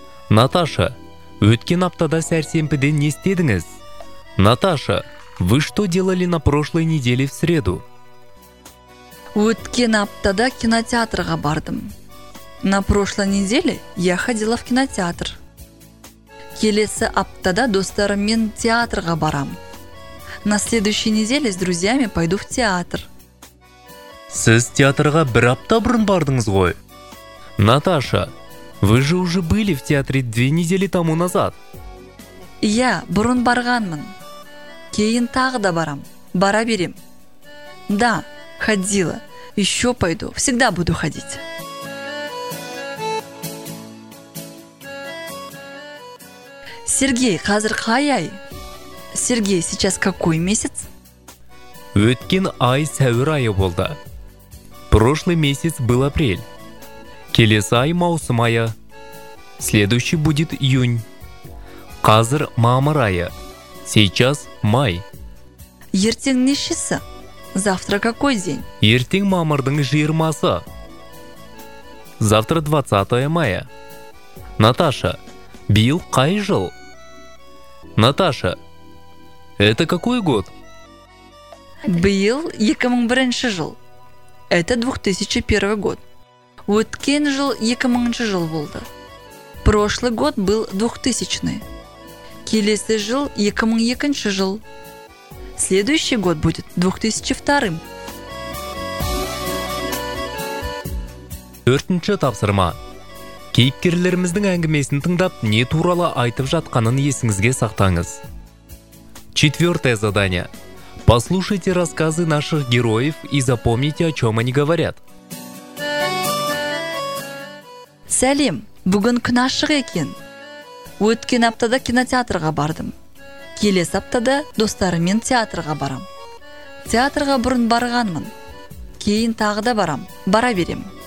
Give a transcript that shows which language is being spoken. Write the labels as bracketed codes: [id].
[kk] Наташа, өткен аптада сәрсенбіде не істедіңіз? [ru] Наташа, вы что делали на прошлой неделе в среду? [kk] Өткен аптада кинотеатрға бардым. [ru] На прошлой неделе я ходила в кинотеатр. [kk] Келесі аптада достарыммен театрға барам. [ru] На следующей неделе с друзьями пойду в театр. [kk] Сіз театрға бір апта бұрын бардыңыз ғой. [ru] Наташа, вы же уже были в театре 2 недели тому назад. [kk] Я бұрын барғанмын. Кейін тағы да барам. Бара берем. [ru] Да, ходила. Еще пойду. Всегда буду ходить. [kk] Сергей, қазір қай ай? [ru] Сергей, сейчас какой месяц? [kk] Өткен ай сәуір айы болды. [ru] Прошлый месяц был апрель. [kk] Келесі ай маусым айы. [ru] Следующий будет июнь. [kk] Қазір мамыр айы. [ru] Сейчас май. [kk] Ертең нешесі? [ru] Завтра какой день? [kk] Ертең мамырдың 20-сы. [ru] Завтра 20 мая. [kk] Наташа, биыл қай жыл? [ru] Наташа, это какой год? [kk] Биыл 2001 жыл. [ru] Это 2001 год. [kk] Өткен жыл 2000 жыл болды. [ru] Прошлый год был 2000-ный. [kk] Келесі жыл 2002 жыл. [ru] Следующий год будет 2002-м. [kk] Төртінші тапсырма. Кейіпкерлеріміздің әңгімесін тыңдап, не туралы айтып жатқанын есіңізге сақтаңыз. [ru] Четвертое задание. Послушайте рассказы наших героев и запомните, о чем они говорят. [kk] Сәлем, бүгін күн ашық екен. Өткен аптада кинотеатрға бардым. Келес аптада достарымен театрға барам. Театрға бұрын барғанмын. Кейін тағы да барам. Бара берем.